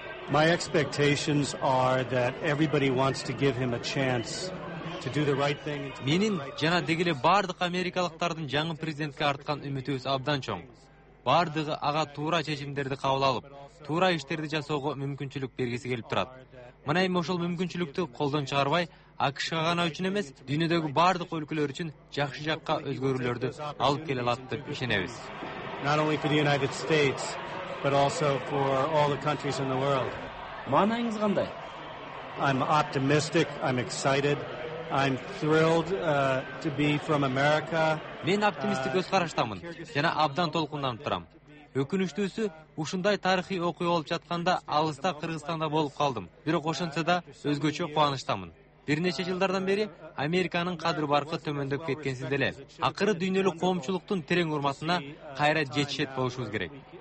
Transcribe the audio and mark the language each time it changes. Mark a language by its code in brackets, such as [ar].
[en] My expectations are that everybody wants to give him a chance to do the right thing. [ky] Менин жана дегиле бардык америкалыктардын жаңы президентке арткан үмүтүбүз абдан чоң. Бардыгы ага туура чечимдерди кабыл алып, туура иштерди жасоого мүмкүнчүлүк бергиси келип турат. Мына эми ошол мүмкүнчүлүктү колдон чыгарбай, АКШга гана үчүн эмес, дүйнөдөгү бардык өлкөлөр үчүн жакшы жакка өзгөрүүлөрдү алып келе алат деп ишенебиз. [en] Not only for the United States, but also for all the countries in the world. [ky] Маанайыңыз кандай? [en] I'm optimistic, I'm excited. I'm thrilled to be from America. [ky] Мен оптимисттик көз караштамын жана абдан толкунданып турам. Өкүнүчтүүсү ушундай тарыхый окуя болуп жатканда алыста Кыргызстанда болуп калдым. Бирок ошентсе да өзгөчө кубанычтамын. Бир нече жылдардан бери Американын кадыр баркы төмөндөп кеткенсиз деле. Акыры дүйнөлүк коомчулуктун терең урматына кайра жетишет болушубуз керек.